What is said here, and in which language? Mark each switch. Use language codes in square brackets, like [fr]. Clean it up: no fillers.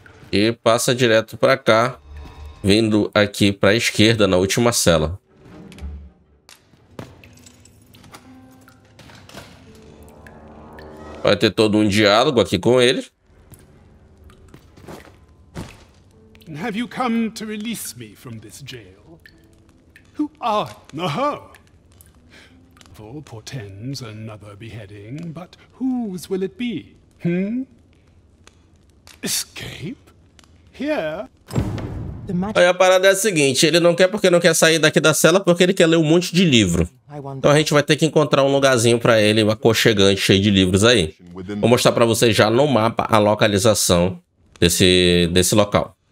[pt] E passa direto para cá, vindo aqui para a esquerda na última cela. Vai ter todo um diálogo aqui com ele. [en] Have you come to release me from this jail? Ah, Naho. For portends another beheading, but whose will it be? Escape? Here. [pt] Aí a parada é a seguinte, ele não quer porque não quer sair daqui da cela, porque ele quer ler um monte de livro. Então a gente vai ter que encontrar um lugarzinho pra ele, um aconchegante cheio de livros aí. Vou mostrar pra vocês já no mapa a localização desse local.